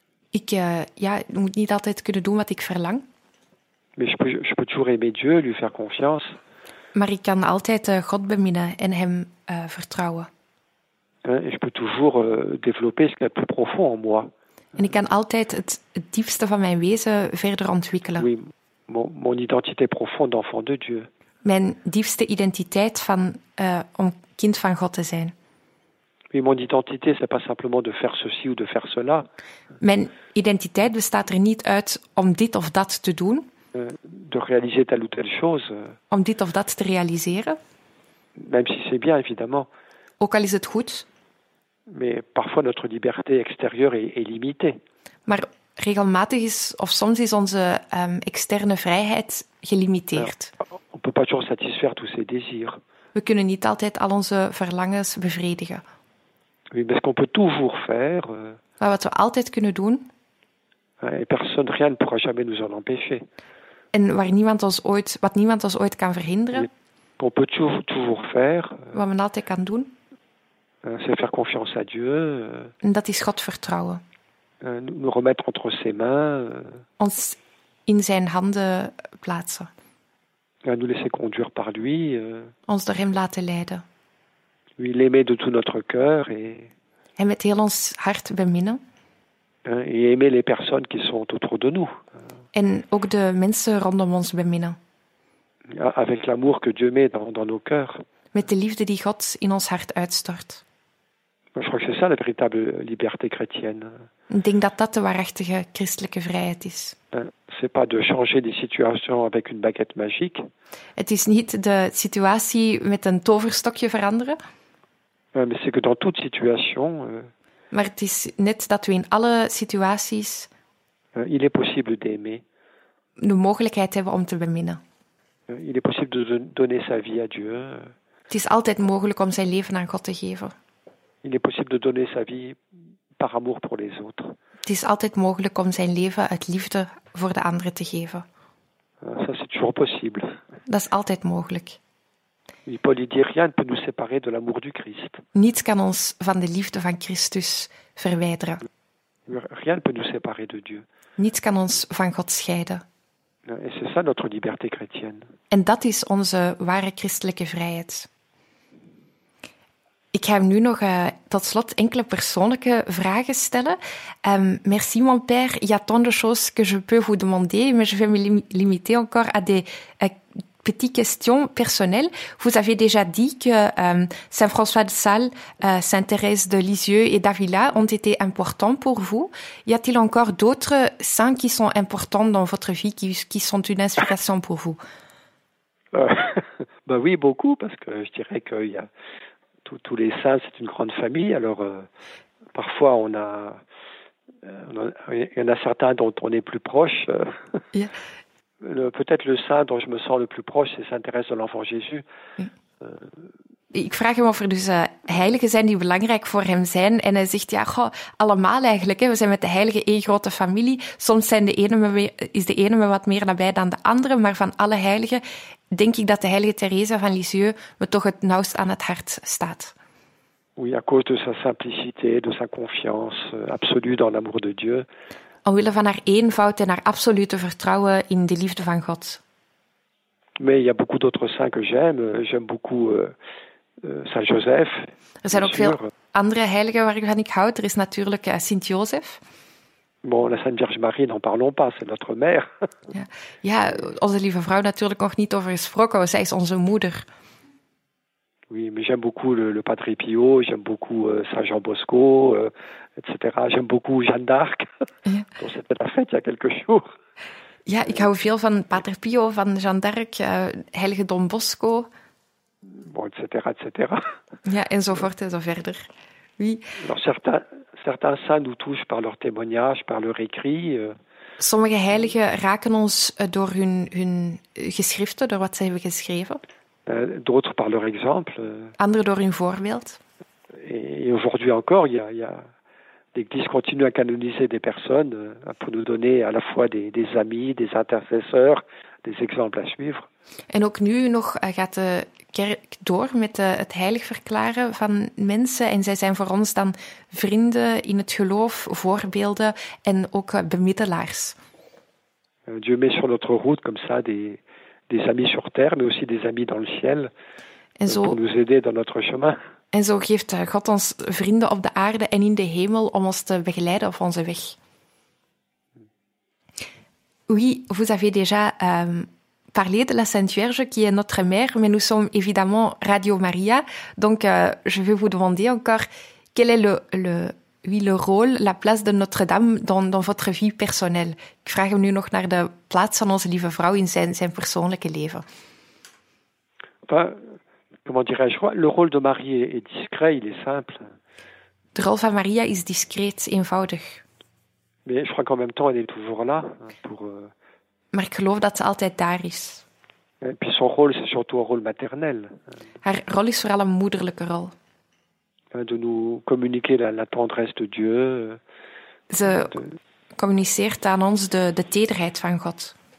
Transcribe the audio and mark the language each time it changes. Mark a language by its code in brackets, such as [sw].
[nl] Ik moet niet altijd kunnen doen wat ik verlang. [fr] Mais je peux toujours aimer Dieu, lui faire confiance. [nl] Maar ik kan altijd God beminnen en hem vertrouwen. [fr] Et je peux toujours développer ce qu'il y a de plus profond en moi. [nl] En ik kan altijd het diepste van mijn wezen verder ontwikkelen. [fr] Oui, mon identité profonde d'enfant de Dieu. [nl] Mijn diepste identiteit van om kind van God te zijn. [fr] Oui, mon identité, c'est pas simplement de faire ceci ou de faire cela. [nl] Mijn identiteit bestaat er niet uit om dit of dat te doen. [fr] De réaliser telle ou telle chose. [nl] Om dit of dat te realiseren. [fr] Même si c'est bien, évidemment. [nl] Ook al is het goed. [fr] Mais parfois notre liberté extérieure est limitée. [nl] Maar regelmatig is, of soms is onze externe vrijheid gelimiteerd. [fr] On peut pas toujours satisfaire tous ses désirs. [nl] We kunnen niet altijd al onze verlangens bevredigen. [fr] Oui, mais ce qu'on peut toujours faire... [nl] Maar wat we altijd kunnen doen... [fr] Et personne, rien ne pourra jamais nous en empêcher. [nl] En waar niemand ons ooit, wat niemand ons ooit kan verhinderen... [fr] On peut toujours faire... [nl] Wat men altijd kan doen... [fr] C'est faire confiance à Dieu... [nl] En dat is God vertrouwen. [fr] Nous remettre entre ses mains... [nl] Ons in zijn handen plaatsen. [fr] Nous laisser conduire par lui. [nl] Ons door hem laten leiden. [fr] Lui l'aimer de tout notre cœur et. [nl] En met heel ons hart beminnen. [fr] Et aimer les personnes qui sont autour de nous. [nl] En ook de mensen rondom ons beminnen. [fr] Avec l'amour que Dieu met dans nos cœurs. [nl] Met de liefde die God in ons hart uitstort. [fr] Je crois que c'est ça la véritable liberté chrétienne. [nl] Ik denk dat dat de waarachtige christelijke vrijheid is. [fr] C'est pas de changer des situations avec une baguette magique. [nl] Het is niet de situatie met een toverstokje veranderen. [fr] Mais c'est que dans toute situation, [nl] maar het is net dat we in alle situaties [fr] il est possible d'aimer. [nl] De mogelijkheid hebben om te beminnen. [fr] Il est possible de donner sa vie à Dieu. [nl] Het is altijd mogelijk om zijn leven aan God te geven. [fr] Il est possible de donner sa vie par amour pour les autres. [nl] Het is altijd mogelijk om zijn leven uit liefde voor de anderen te geven. [fr] Ça, c'est toujours possible. [nl] Dat is altijd mogelijk. [fr] Et Paul dit, rien ne peut nous séparer de l'amour du Christ. [nl] Niets kan ons van de liefde van Christus verwijderen. [fr] Rien ne peut nous séparer de Dieu. [nl] Niets kan ons van God scheiden. [fr] Et c'est ça notre liberté chrétienne. [nl] En dat is onze ware christelijke vrijheid. Ik ga hem nu nog tot slot enkele persoonlijke vragen stellen. [fr] Merci mon père, il y a tant de choses que je peux vous demander, mais je vais me limiter encore à des petites questions personnelles. Vous avez déjà dit que Saint-François de Sales, Saint-Thérèse de Lisieux et d'Avila ont été importants pour vous. Y a-t-il encore d'autres saints qui sont importants dans votre vie, qui sont une inspiration pour vous? Ben oui, beaucoup, parce que je dirais qu'il y a... Tous les saints, c'est une grande famille. Alors, parfois, il y en a certains dont on est plus proche. Peut-être le saint dont je me sens le plus proche, c'est Saint-Thérèse de l'Enfant Jésus. [nl] Ik vraag hem of er dus heiligen zijn die belangrijk voor hem zijn. En hij zegt, ja, goh, allemaal eigenlijk. Hè. We zijn met de heiligen één grote familie. Soms is de ene me wat meer nabij dan de andere. Maar van alle heiligen denk ik dat de heilige Therese van Lisieux me toch het nauwst aan het hart staat. [fr] Oui, à cause de sa simplicité, de sa confiance absolue dans l'amour de Dieu. [nl] Omwille van haar eenvoud en haar absolute vertrouwen in de liefde van God. [fr] Mais il y a beaucoup d'autres saints que j'aime. J'aime beaucoup... Saint-Joseph. [nl] Er zijn ook veel andere heiligen waarvan ik houd. Er is natuurlijk Sint-Joseph. [fr] Bon, la Sainte Vierge Marie, n'en parlons pas, c'est notre mère. [nl] Ja. Ja, onze lieve vrouw natuurlijk nog niet over gesproken, zij is onze moeder. [fr] Oui, mais j'aime beaucoup le Padre Pio, j'aime beaucoup Saint-Jean Bosco, etc. J'aime beaucoup Jeanne d'Arc. [nl] Ja. [fr] Donc c'était la fête il y a quelques jours. [nl] Ja, ik hou veel van Pater Pio, van Jeanne d'Arc, heilige Don Bosco... [fr] Bon, et cetera, et cetera. [nl] Ja, enzovoort en zo verder. [fr] Oui. Alors, certains saints nous touchent par leur témoignage, par leur écrit. [nl] Sommige heiligen raken ons door hun geschriften, door wat ze hebben geschreven. [fr] D'autres par leur exemple. [nl] Anderen door hun voorbeeld. [fr] Et aujourd'hui encore, il y a l'Église continue à canoniser des personnes pour nous donner à la fois des amis, des intercesseurs, des exemples à suivre. [nl] En ook nu nog gaat de kerk door met het heilig verklaren van mensen. En zij zijn voor ons dan vrienden in het geloof, voorbeelden en ook bemiddelaars. [fr] Dieu met sur notre route comme ça des amis sur terre, mais aussi des amis dans le ciel. [nl] En zo, [fr] pour nous aider dans notre chemin. [nl] En zo geeft God ons vrienden op de aarde en in de hemel om ons te begeleiden op onze weg. [fr] Oui, vous avez déjà parlé de la Sainte Vierge qui est notre mère, mais nous sommes évidemment Radio Maria. Donc, je vais vous demander encore quel est le rôle, la place de Notre-Dame dans votre vie personnelle. [nl] Ik vraag hem nu nog naar de plaats van onze lieve vrouw in zijn persoonlijke leven. [fr] Comment dirais-je? Le rôle de Marie est discret, il est simple. [nl] De rol van Maria is discreet, eenvoudig. [fr] Mais je crois qu'en même temps, elle est toujours là. Pour, [nl] maar ik geloof dat ze altijd daar is. [fr] Et puis son rôle, c'est surtout un rôle maternel. [nl] Haar rol is vooral een moederlijke rol. [fr] De nous communiquer la tendresse de Dieu. [nl] Ze communiceert aan ons de tederheid van God.